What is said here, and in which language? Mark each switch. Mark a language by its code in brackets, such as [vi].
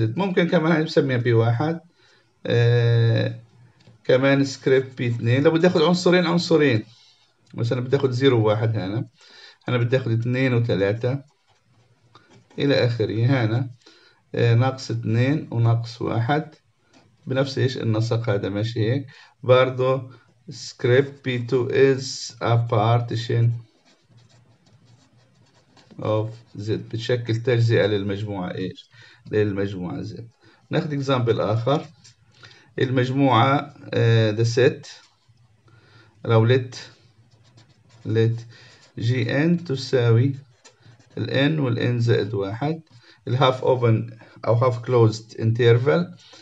[ar] ممكن كمان نسميها بي واحد، كمان سكريبت بي اثنين. لو بدي اخذ عنصرين عنصرين، مثلا بدي اخذ 0 و1، هنا انا بدي اخذ 2 و3 الى اخره، هنا ناقص 2 وناقص 1 بنفس ايش النسق هذا، ماشي هيك. برضو [en] script p2 is a partition [ar] اوف زد بتشكل تجزئة للمجموعة ايش؟ للمجموعة زد. ناخذ اكزامبل اخر، المجموعة ذا سيت لو لت جي ان تساوي ال n وال n زائد واحد، ال [en] half open [ar] او [en] half closed interval،